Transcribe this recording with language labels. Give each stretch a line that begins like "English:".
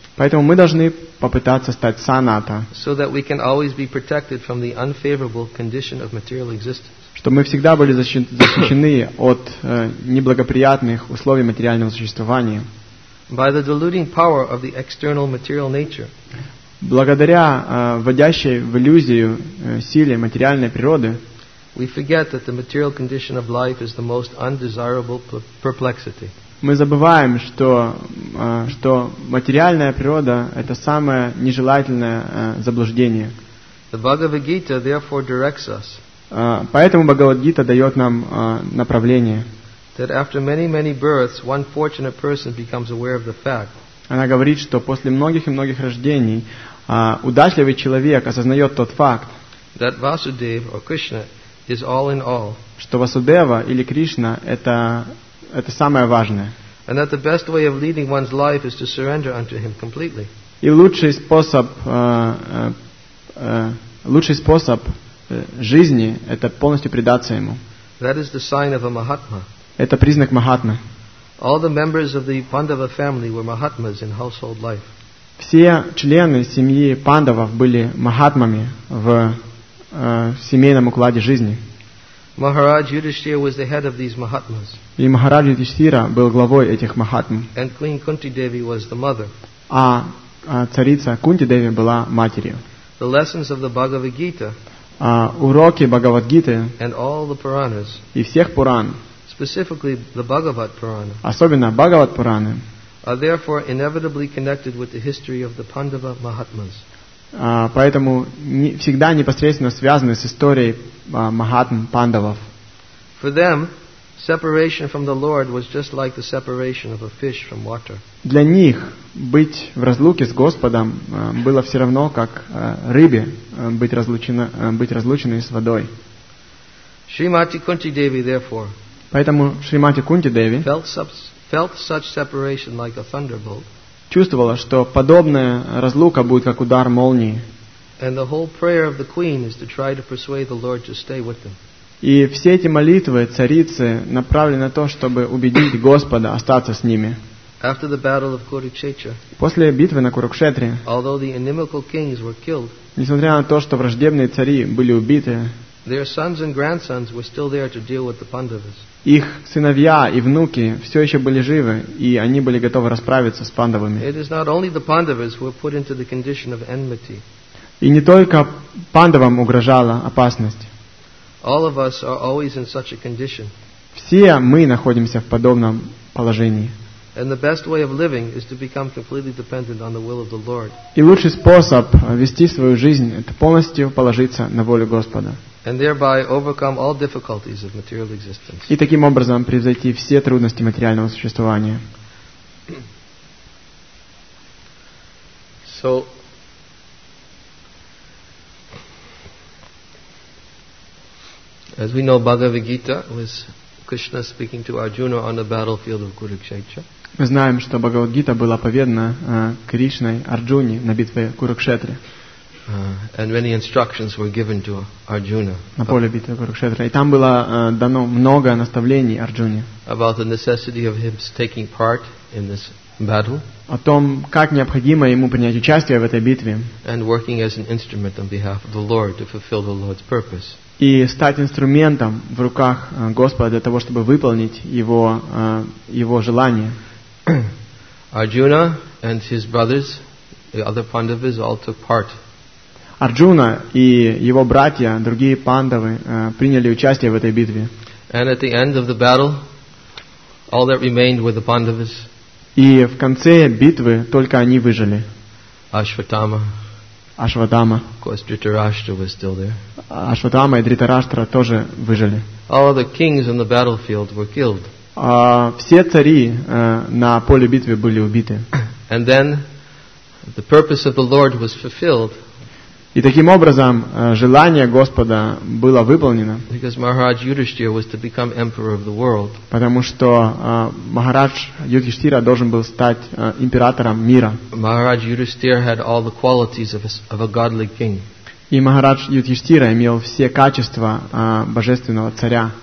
Russian: Поэтому мы должны попытаться стать санатта.
English: So that we can always be protected from the unfavorable condition of material existence.
Russian: Чтобы мы всегда были защищены от неблагоприятных условий материального существования.
English: By the deluding power of the external material nature.
Russian: Благодаря вводящей в иллюзию силе материальной природы.
English: We forget that the material condition of life is the most undesirable perplexity.
Russian: Мы забываем, что, что материальная природа – это самое нежелательное заблуждение.
English: The Bhagavad-gita therefore directs us.
Russian: Поэтому Бхагавад-гита дает нам направление.
English: That after many, many births, one fortunate person becomes aware of the fact.
Russian: Она говорит, что после многих и многих рождений удачливый человек осознает тот факт,
English: that Vasudev or Krishna is all in all.
Russian: Что Васудева или Кришна – это это самое важное.
English: And that the best way of leading one's life is to surrender unto him completely.
Russian: И лучший способ, жизни – это полностью предаться ему.
English: That is the sign of a mahatma.
Russian: Это признак махатмы.
English: All the members of the Pandava family were mahatmas in household life.
Russian: Все члены семьи Пандавов были махатмами в семейном укладе жизни.
English: Maharaj Yudhishthira was the head of these mahatmas.
Russian: И Махарадж Юдхиштхира был главой этих махатм.
English: And Queen Kunti Devi was the mother.
Russian: А царица Кунти Деви была матерью.
English: The lessons of the Bhagavad Gita.
Russian: Уроки Бхагавад Гиты.
English: And all the Puranas.
Russian: И всех Пуран.
English: Specifically the Bhagavad Purana.
Russian: Особенно Бхагавад Пураны.
English: Are therefore inevitably connected with the history of the Pandava mahatmas.
Russian: Поэтому не, всегда непосредственно связаны с историей махатм пандавов.
English: For them, separation from the Lord was just like the separation of a fish from water.
Russian: Для них быть в разлуке с Господом было все равно, как рыбе быть разлученной с водой.
English: Shrimati Kunti Devi, therefore,
Russian: поэтому Шримати Кунти Деви
English: felt such separation like a thunderbolt.
Russian: Чувствовала, что подобная разлука будет как удар молнии.
English: And the whole prayer of the queen is to try to persuade the Lord to stay with them.
Russian: И все эти молитвы царицы направлены на то, чтобы убедить Господа остаться с ними.
English: After the battle of Kurukshetra.
Russian: После битвы на Курукшетре.
English: Although the inimical kings were killed.
Russian: Несмотря на то, что враждебные цари были убиты.
English: Their sons and grandsons were still there to deal with the Pandavas.
Russian: Их сыновья и внуки все еще были живы, и они были готовы расправиться с пандавами.
English: It is not only the Pandavas who were put into the condition of enmity.
Russian: И не только пандавам угрожала опасность.
English: All of us are always in such a condition.
Russian: Все мы находимся в подобном положении.
English: And the best way of living is to become completely dependent on the will of the Lord.
Russian: И лучший способ вести свою жизнь – это полностью положиться на волю Господа.
English: And thereby overcome all difficulties of material existence.
Russian: И таким образом превзойти все трудности материального существования.
English: So, as we know, Bhagavad Gita was Krishna speaking to Arjuna on the battlefield of Kurukshetra.
Russian: Мы знаем, что Бхагавад Гита была поведана Кришной Арджуне на битве Курукшетре.
English: And many instructions were given to Arjuna.
Russian: На поле битвы Курукшетра. И там было дано много наставлений Арджуне.
English: About the necessity of him taking part in this battle.
Russian: О том, как необходимо ему принять участие в этой битве.
English: And working as an instrument on behalf of the Lord to fulfill the Lord's purpose.
Russian: И стать инструментом в руках Господа для того, чтобы выполнить его его желание.
English: Arjuna and his brothers, the other Pandavas, all took part.
Russian: Арджуна и его братья, другие пандавы, приняли участие в этой битве.
English: And at the end of the battle, all that remained were the Pandavas.
Russian: И в конце битвы только они выжили.
English: Ashwatthama.
Russian: Ашвадама.
English: Of course, Dhritarashtra was still there.
Russian: Ашвадама и Дритараштра тоже выжили.
English: All the kings on the battlefield were killed.
Russian: Все цари на поле битвы были убиты.
English: And then the purpose of the Lord was fulfilled.
Russian: И таким образом желание Господа было выполнено.
English: Because Maharaj Yudhishthira was to become emperor of the world.
Russian: Потому что Махарадж Юдхиштхира должен был стать императором мира.
English: Maharaj Yudhishthira had all the qualities of a godly king.
Russian: И Махарадж Юдхиштхира имел все качества божественного царя.